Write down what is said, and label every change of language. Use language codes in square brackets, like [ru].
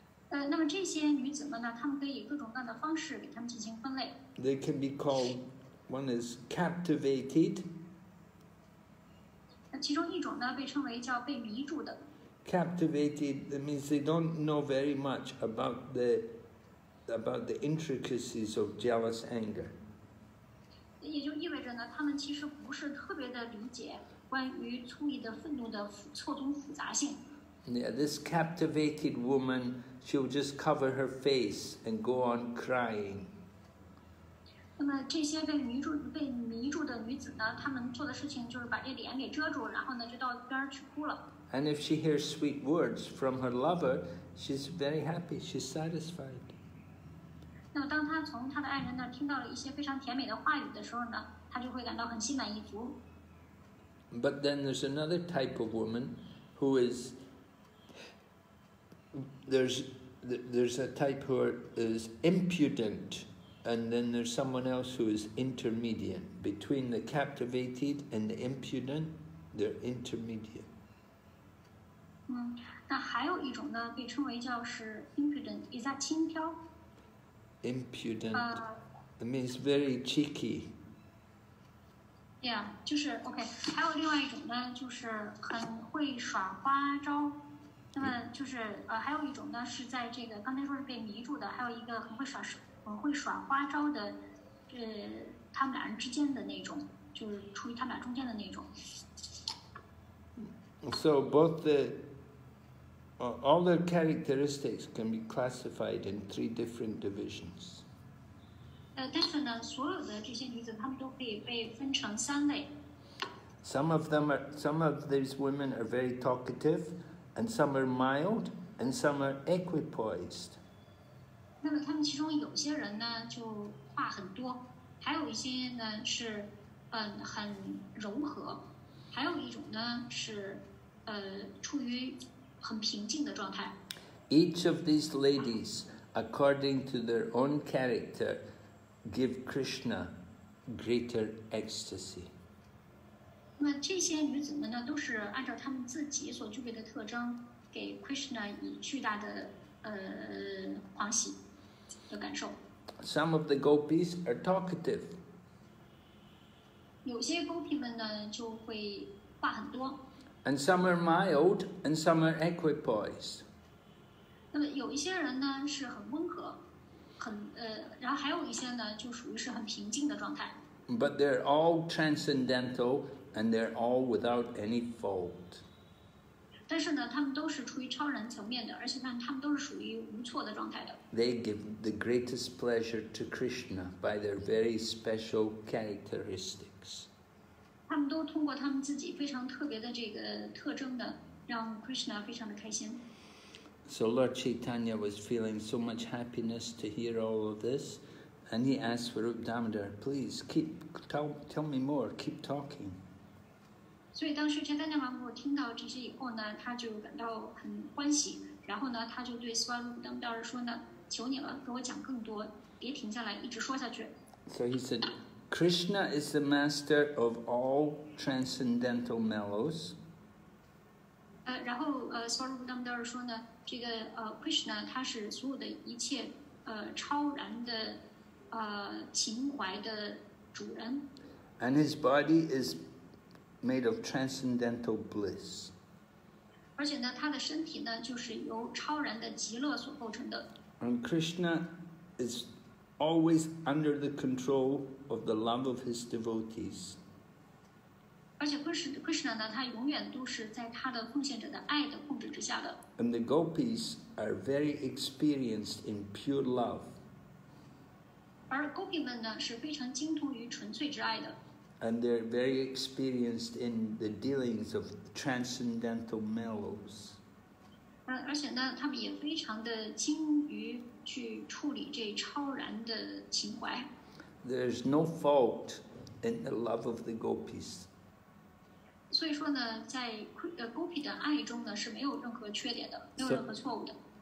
[zh] 那么这些女子们呢，她们可以各种各样的方式给她们进行分类。 [en] They can be called. One is captivated. [zh] 其中一种呢被称为叫被迷住的。 [en] captivated, that means they don't know very much about the intricacies of jealous anger. [zh] 也就意味着呢，他们其实不是特别的理解关于醋意的愤怒的错综复杂性。 [en] Yeah, this captivated woman, she'll just cover her face and go on crying. [zh] 那么这些被迷住的女子呢，她们做的事情就是把这脸给遮住，然后呢就到边去哭了。 [en] And if she hears sweet words from her lover, she's very happy, she's satisfied. [zh] 那当她从她的爱人那听到了一些非常甜美的话语的时候呢，她就会感到很心满意足。 [en] But then there's another type of woman who is, there's a type who is impudent, and then there's someone else who is intermediate. Between the captivated and the impudent, they're intermediate. [zh] 那还有一种呢，被称为叫是 impudent， 也叫轻飘。 [en] Impudent. It means very cheeky. [zh] Yeah， 就是 OK。还有另外一种呢，就是很会耍花招。那么就是还有一种呢，是在这个刚才说是被迷住的，还有一个很会耍花招的，他们俩人之间的那种，就是处于他们俩中间的那种。 [en] So both the all their characteristics can be classified in three different divisions. [zh] 但是呢，所有的这些女子，她们都可以被分成三类。 [en] Some of these women are very talkative, and some are mild, and some are equipoised. [zh] 那么，她们其中有些人呢，就话很多，还有一些呢是，很柔和，还有一种呢是，处于。很平静的状态。 [en] Each of these ladies, according to their own character, give Krishna greater ecstasy. [zh] 那这些女子们呢，都是按照她们自己所具备的特征，给 Krishna 以巨大的狂喜的感受。 [en] Some of the gopis are talkative. [zh] 有些 gopi 们呢，就会话很多。 [en] And some are mild, and some are equipoised. [zh] 那么有一些人呢是很温和，然后还有一些呢就属于是很平静的状态。 [en] But they're all transcendental, and they're all without any fault. [zh] 但是呢，他们都是处于超然层面的，而且呢，他们都是属于无错的状态的。 [en] They give the greatest pleasure to Krishna by their very special characteristics. [zh] 他们都通过他们自己非常特别的这个特征的，让 Krishna 非常的开心。 [en] So Lord Chaitanya was feeling so much happiness to hear all of this, and he asked for Rupa Damodar, please keep tell me more, keep talking. [zh] 所以当时 Chaitanya Mahaprabhu 听到这些以后呢，他就感到很欢喜，然后呢，他就对 Swarupa Damodar 说呢，求你了，给我讲更多，别停下来，一直说下去。 [en] So he said. Krishna is the master of all transcendental mellows. [zh] 然后Swarupa Damodar说呢，这个Krishna 他是所有的一切超然的情怀的主人。 [en] And his body is made of transcendental bliss. [zh] 而且呢，他的身体呢就是由超然的极乐所构成的。 [en] And Krishna is. Always under the control of the love of his devotees. [zh] 而且 Krishna 呢，他永远都是在他的奉献者的爱的控制之下的。 [en] And the gopis are very experienced in pure love. [zh] 而 gopi 们呢是非常精通于纯粹之爱的。 [en] And they're very experienced in the dealings of transcendental mellows. [zh] 而且呢，他们也非常的精于去处理这超然的情怀。 [en] There's no fault in the love of the gopis. [zh] 所以说呢，在gopi 的爱中呢是没有任何缺点的，没有任何错误的。